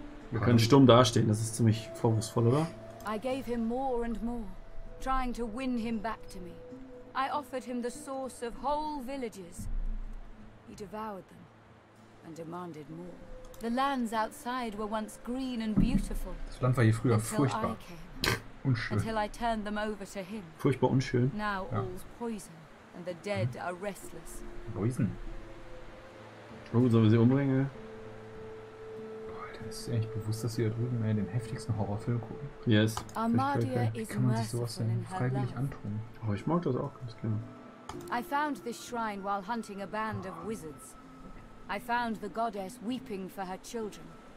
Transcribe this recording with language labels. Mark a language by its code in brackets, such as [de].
[de] Wir können stumm dastehen, das ist ziemlich vorwurfsvoll, oder? [en] I gave him more and more, trying to win him back to me. I offered him the source of whole villages. He devoured them and demanded more. The lands outside were once green and beautiful. [de] Das Land war hier früher furchtbar. Unschön. [en] Until I turned them over to him. [de] Furchtbar unschön. [en] Now all's poison and the dead are restless. Poison? [de] Oh, sollen wir sie umbringen? Ist dir echt bewusst, dass sie da drüben den heftigsten Horrorfilm gucken? [en] Yes. [de] Armadia ist kann man sich sowas denn freiwillig antun? Oh, ich mag das auch ganz gerne. [en] I found this shrine while hunting a band of wizards. I found the goddess weeping for her children.